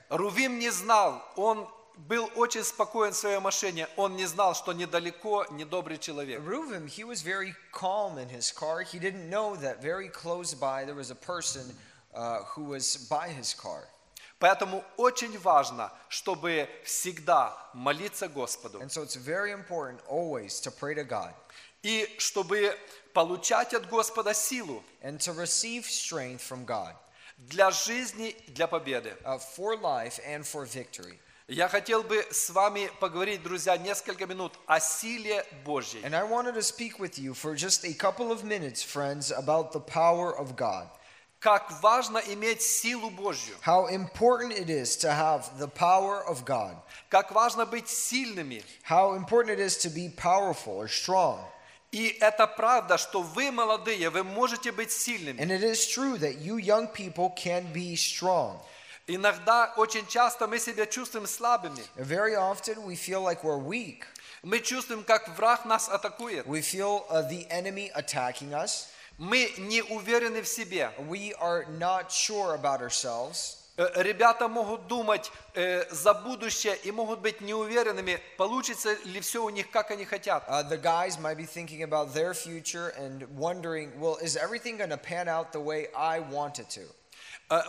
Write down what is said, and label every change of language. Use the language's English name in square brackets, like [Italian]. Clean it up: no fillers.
[Russian] Рувим не знал, он был очень спокоен в своей машине. Он не знал, что недалеко недобрый человек. [English] Reuven, he was very calm in his car. He didn't know that very close by there was a person who was by his car. [Russian] Поэтому очень важно, чтобы всегда молиться Господу. [English] And so it's very important always to pray to God. [Russian] И чтобы получать от Господа силу. [English] And to receive strength from God. [Russian] Для жизни, для победы. [English] For life and for victory. [Russian] Я хотел бы с вами поговорить, друзья, несколько минут о силе Божьей. [English] And I wanted to speak with you for just a couple of minutes, friends, about the power of God. [Russian] Как важно иметь силу Божью. [English] How important it is to have the power of God. [Russian] Как важно быть сильными. [English] How important it is to be powerful or strong. [Russian] И это правда, что вы молодые, вы можете быть сильными. [English] And it is true that you young people can be strong. [Russian] Иногда очень часто мы себя чувствуем слабыми. [English] Very often we feel like we're weak. [Russian] Мы чувствуем, как враг нас атакует. [English] We feel the enemy attacking us. [Russian] Мы не уверены в себе. [English] We are not sure about ourselves. [Russian] Ребята могут думать за будущее и могут быть неуверенными, получится ли все у них, как они хотят. [English] The guys might be thinking about their future and wondering, well, is everything going to pan out the way I want it to?